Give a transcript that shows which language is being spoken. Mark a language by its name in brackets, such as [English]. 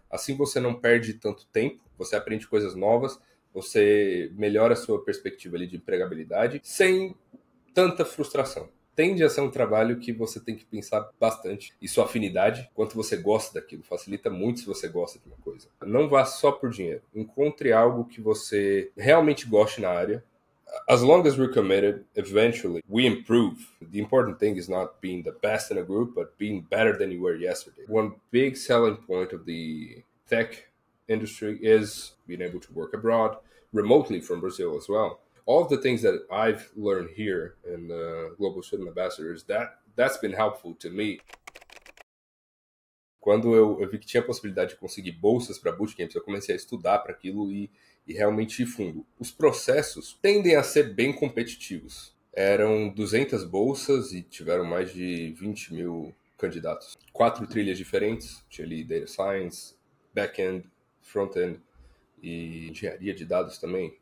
[Portuguese] Assim você não perde tanto tempo, você aprende coisas novas, você melhora a sua perspectiva ali de empregabilidade sem tanta frustração. Tende a ser um trabalho que você tem que pensar bastante e sua afinidade, quanto você gosta daquilo. Facilita muito se você gosta de uma coisa. Não vá só por dinheiro. Encontre algo que você realmente goste na área. [English] As long as we're committed, eventually we improve. The important thing is not being the best in a group, but being better than you were yesterday. One big selling point of the tech industry is being able to work abroad, remotely from Brazil as well. All of the things that I've learned here in the Global Student Ambassador is that's been helpful to me. [Portuguese] Quando eu vi que tinha a possibilidade de conseguir bolsas para bootcamps, eu comecei a estudar para aquilo e realmente ir fundo. Os processos tendem a ser bem competitivos. Eram 200 bolsas e tiveram mais de 20 mil candidatos. Quatro trilhas diferentes, tinha ali Data Science, Backend, Frontend, e engenharia de dados também.